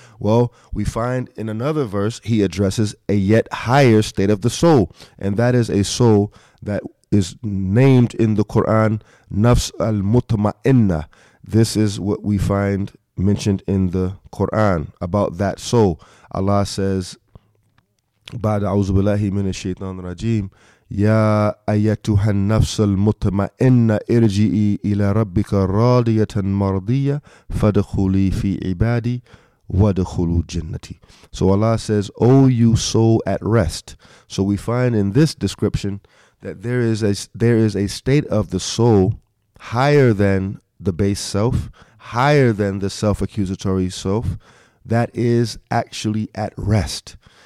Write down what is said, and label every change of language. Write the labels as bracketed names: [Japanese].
[English] Well, we find in another verse, He addresses a yet higher state of the soul, and that is a soul that is named in the Quran, nafs al-mutma'inna. This is what we find mentioned in the Quran about that soul. Allah says, [Arabic] بعد أعوذ بالله من الشيطان الرجيم يا أيتها النفس المطمئنة ارجئي إلى ربك راضية مرضية فادخلي في عبادي وادخلوا جنتي. [English] So Allah says, O you soul at rest. So we find in this description that there is a state of the soul higher than the base self, higher than the self-accusatory self, that is actually at rest.